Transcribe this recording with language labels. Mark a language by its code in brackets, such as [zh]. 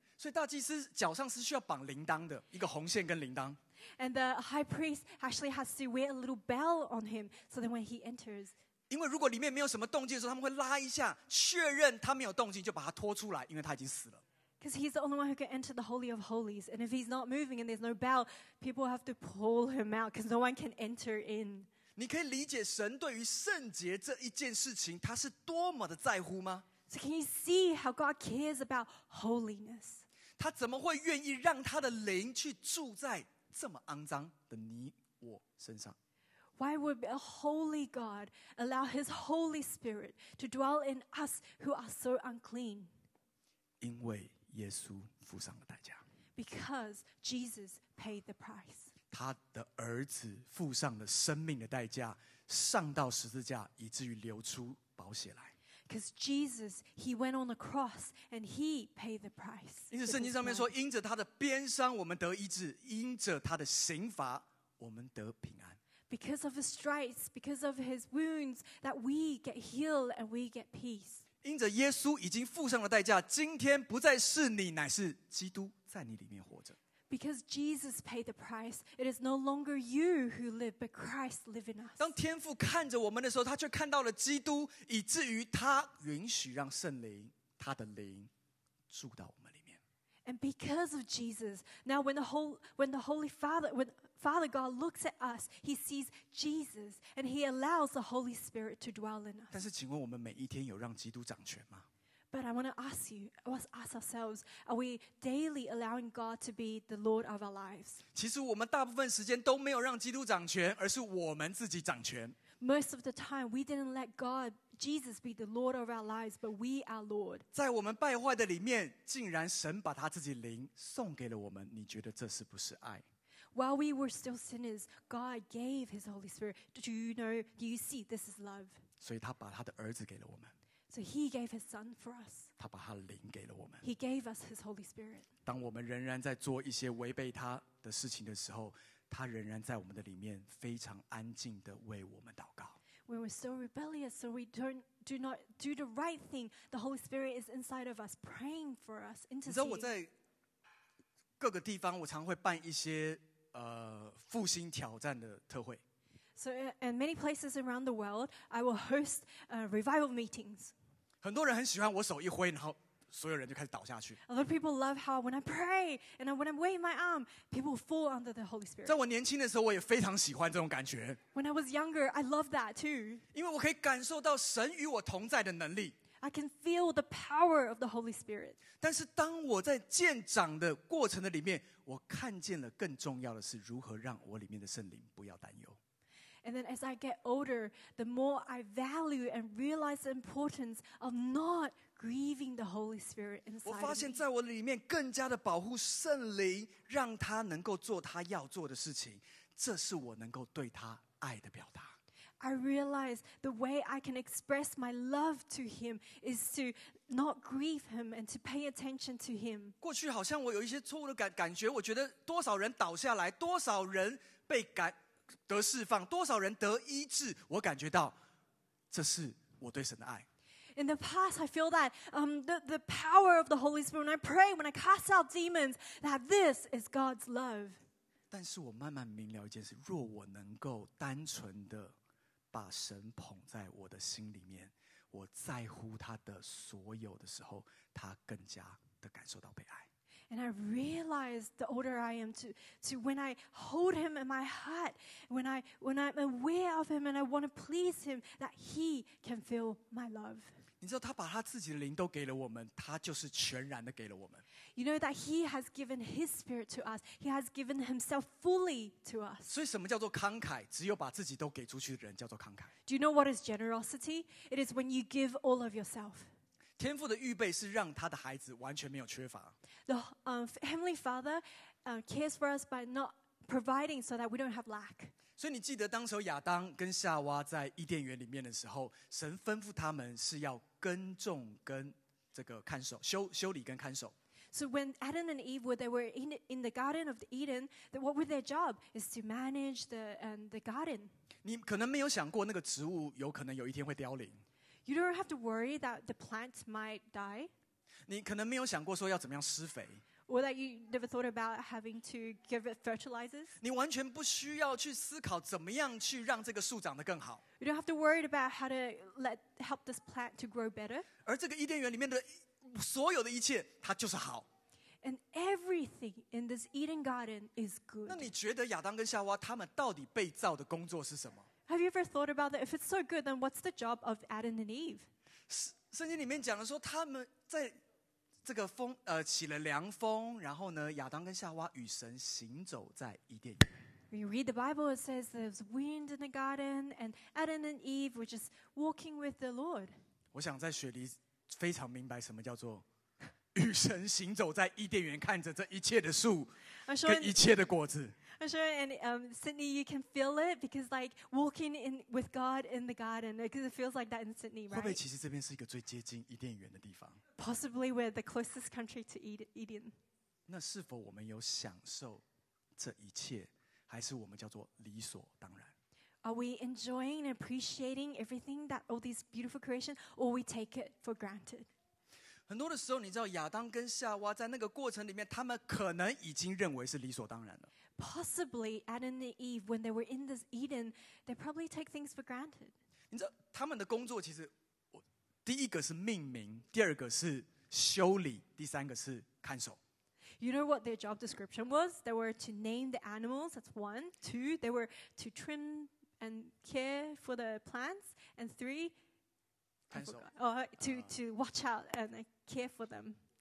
[zh] 所以大祭司脚上是需要绑铃铛的，一个红线跟铃铛。 [en] And the high priest actually has to wear a little bell on him, so that when he enters, [zh] 因为如果里面没有什么动静的时候，他们会拉一下，确认他没有动静，就把他拖出来，因为他已经死了。 [en] Because he's the only one who can enter the Holy of Holies. And if he's not moving and there's no bell, people have to pull him out because no one can enter in. [zh] 你可以理解神对于圣洁这一件事情，他是多么的在乎吗？ [en] So can you see how God cares about holiness? [zh] 他怎么会愿意让他的灵去住在这么肮脏的你我身上？ [en] Why would a holy God allow his Holy Spirit to dwell in us who are so unclean? [zh] 因为耶稣付上了代价。 [en] Because Jesus paid the price. [zh] 他的儿子付上了生命的代价，上到十字架，以至于流出宝血来。 [en] Because Jesus, he went on the cross and he paid the price. [zh] 因此圣经上面说，因着他的鞭伤我们得医治，因着他的刑罚我们得平安。 [en] Because of his stripes, because of his wounds, that we get healed and we get peace. [zh] 因着耶稣已经付上了代价，今天不再是你，乃是基督在你里面活着。 [en] Because Jesus paid the price, it is no longer you who live, but Christ lives in us. [zh] 当天父看着我们的时候，他却看到了基督，以至于他允许让圣灵，他的灵住到我们里面。 [en] And because of Jesus, now when the Holy Father God looks at us, he sees Jesus and he allows the Holy Spirit to dwell in us. [zh] 但是请问我们每一天有让基督掌权吗？ [en] But I want to ask you, ask ourselves, are we daily allowing God to be the Lord of our lives? [zh] 其实我们大部分时间都没有让基督掌权，而是我们自己掌权。 [en] Most of the time, we didn't let God, Jesus be the Lord of our lives, but we are Lord. [zh] 在我们败坏的里面，竟然神把他自己灵送给了我们，你觉得这是不是爱？ [en] While we were still sinners, God gave His Holy Spirit. Do you see? This is love. [zh] 所以他把他的儿子给了我们。 [en] So He gave His Son for us. [zh] 他把他的灵给了我们。 [en] He gave us His Holy Spirit. [zh] 当我们仍然在做一些违背他的事情的时候，他仍然在我们的里面非常安静地为我们祷告。 [en] When we're so rebellious, so we do not do the right thing, the Holy Spirit is inside of us, praying for us, interceding. [zh] 你知道我在各个地方，我常会办一些。复兴挑战的特会。 [en] So in many places around the world, I will host revival meetings. [zh] 很多人很喜欢我手一挥，然后所有人就开始倒下去。 [en] A lot of people love how when I pray and when I wave my arm, people fall under the Holy Spirit. [zh] 在我年轻的时候，我也非常喜欢这种感觉。 [en] When I was younger, I loved that too. [zh] 因为我可以感受到神与我同在的能力。 [en] I can feel the power of the Holy Spirit. [zh] 但是当我在渐长的过程的里面，我看见了更重要的是如何让我里面的圣灵不要担忧。 [en] And then as I get older, the more I value and realize the importance of not grieving the Holy Spirit inside. [zh] 我发现在我里面更加的保护圣灵，让他能够做他要做的事情，这是我能够对他爱的表达。 [en] I realize the way I can express my love to him is to not grieve him and to pay attention to him. [zh] 过去好像我有一些错误的感觉，我觉得多少人倒下来，多少人被感得释放，多少人得医治，我感觉到这是我对神的爱。 [en] in the past, I feel that the power of the Holy Spirit when I pray, when I cast out demons, that this is God's love. [zh] 但是我慢慢明了一件事，若我能够单纯的把神捧在我的心里面，我在乎他的所有的时候，他更加的感受到被爱。 [en] And I realized the older I am to when I hold him in my heart, when I'm aware of him and I want to please him, that he can feel my love. [zh] 你知道他把他自己的灵都给了我们，他就是全然的给了我们。 [en] You know that he has given his spirit to us. He has given himself fully to us. [zh] 所以什么叫做慷慨？只有把自己都给出去的人叫做慷慨。 [en] Do you know what is generosity? It is when you give all of yourself. [zh] 天父的预备是让他的孩子完全没有缺乏。 [en] The Heavenly Father cares for us by not providing so that we don't have lack. [zh] 所以你记得当时亚当跟夏娃在伊甸园里面的时候，神吩咐他们是要耕种跟这个看守，修理跟看守。 [en] So when Adam and Eve were they were in the Garden of Eden, what were their job is to manage the garden. [zh] 你可能没有想过那个植物有可能有一天会凋零。 [en] You don't have to worry that the plant might die. [zh] 你可能没有想过说要怎么样施肥。 [en] Or that you never thought about having to give it fertilizers. [zh] 你完全不需要去思考怎么样去让这个树长得更好。 [en] You don't have to worry about how to help this plant to grow better. [zh] 而这个伊甸园里面的所有的一切，它就是好。 [en] And everything in this Eden Garden is good. [zh] 那你觉得亚当跟夏娃他们到底被造的工作是什么？ [en] Have you ever thought about that? If it's so good, then what's the job of Adam and Eve? [zh] 圣经里面讲的说，他们在这个风起了凉风，然后呢，亚当跟夏娃与神行走在伊甸园。 [en] We read the Bible. It says there's wind in the garden, and Adam and Eve were just walking with the Lord. [zh] 我想在雪梨非常明白什么叫做与神行走在伊甸园，看着这一切的树跟一切的果子。 [en] I'm sure, and Sydney, you can feel it because, like, walking in with God in the garden, because it feels like that in Sydney, right? [zh] 会不会其实这边是一个最接近伊甸园的地方 [en] ？Possibly, we're the closest country to Eden. [zh] 那是否我们有享受这一切，还是我们叫做理所当然 [en] ？Are we enjoying and appreciating everything that all these beautiful creation, or we take it for granted? [zh] 很多的时候，你知道亚当跟夏娃在那个过程里面，他们可能已经认为是理所当然了。 [en] Possibly Adam and Eve, when they were in this Eden, they probably take things for granted. [zh] 你知道他们的工作其实，第一个是命名，第二个是修理，第三个是看守。 [en] You know what their job description was? They were to name the animals. That's one. Two, they were to trim and care for the plants. And three, [zh] 看守。 [en] To watch out and care for them.